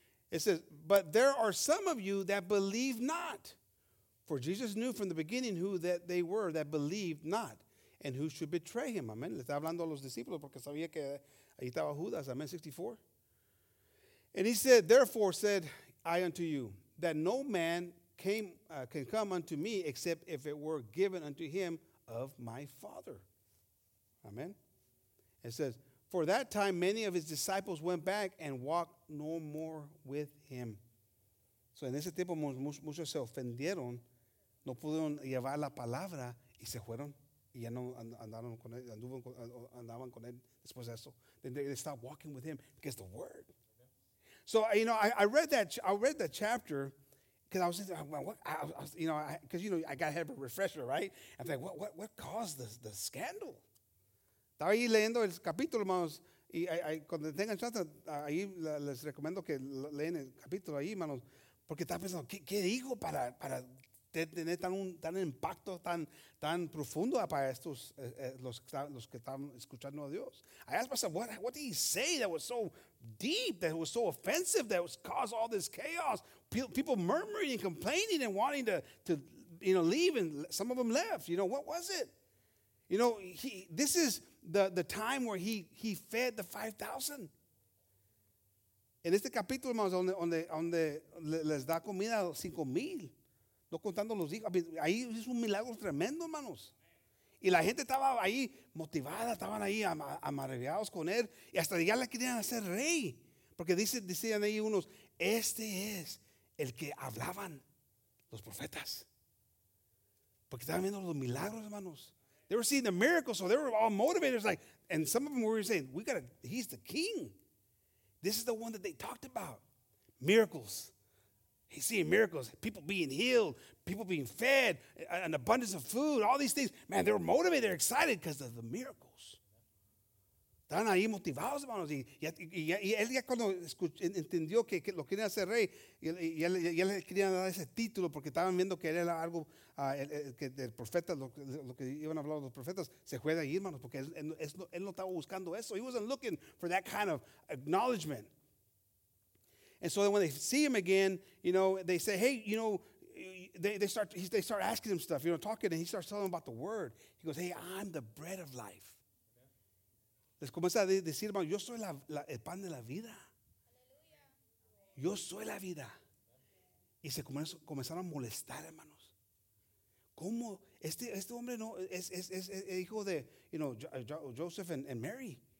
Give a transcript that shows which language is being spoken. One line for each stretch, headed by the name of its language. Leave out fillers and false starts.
English: It says, but there are some of you that believe not. For Jesus knew from the beginning who that they were that believed not. And who should betray him? Amen.
Spanish: Le está hablando a los discípulos porque sabía que ahí estaba Judas.
English: Amen. 64. And he said, therefore said I unto you, that no man can come unto me except if it were given unto him of my Father. Amen. It says, for that time many of his disciples went back and walked no more with him.
Spanish: So en ese tiempo muchos se ofendieron, no pudieron llevar la palabra y se fueron. Y ya no andaron con él, andaban con él después de eso.
English: They stopped walking with him because the Word. So, you know, I read that chapter because I was thinking, I got to have a refresher, right? I'm like, what caused the scandal?
Spanish: Estaba ahí leyendo el capítulo, hermanos. Y cuando tengan chance, ahí les recomiendo que lean el capítulo ahí, hermanos. Porque estaba pensando, ¿qué digo para tener tan impacto tan profundo para estos los que están escuchando a Dios.
English: I asked myself, what did he say that was so deep, that was so offensive, that was caused all this chaos? People murmuring and complaining and wanting to leave, and some of them left. You know, what was it? You know, this is the time where he fed the 5,000.
Spanish: En este capítulo, hermanos, donde les da comida a 5,000. No contando los hijos, ahí es un milagro tremendo, hermanos. Y la gente estaba ahí motivada, estaban ahí amarreados con él. Y hasta ya le querían hacer rey. Porque decían ahí unos, este es el que hablaban los profetas. Porque estaban viendo los milagros, hermanos.
English: They were seeing the miracles, so they were all motivated. It's like, and some of them were saying, he's the king. This is the one that they talked about. Miracles. He's seeing miracles, people being healed, people being fed, an abundance of food, all these things. Man, they're motivated, they're excited because of the miracles.
Spanish: Están ahí motivados, hermanos. Y él ya cuando entendió que lo querían hacer rey, ya le querían dar ese título porque estaban viendo que era algo del profeta, lo que iban a hablar los profetas, se fue de ahí, hermanos, porque él no estaba buscando eso.
English: He wasn't looking for that kind of acknowledgement. And so then when they see him again, you know, they say, hey, you know, they start asking him stuff, you know, talking, and he starts telling them about the Word. He goes, hey, I'm the bread of life.
Spanish: Les comienza a decir, hermano, yo soy el pan de la vida. Yo soy la vida. Y se comenzaron a molestar, hermanos. ¿Cómo? Este hombre no es hijo de,
English: you know, Joseph and Mary.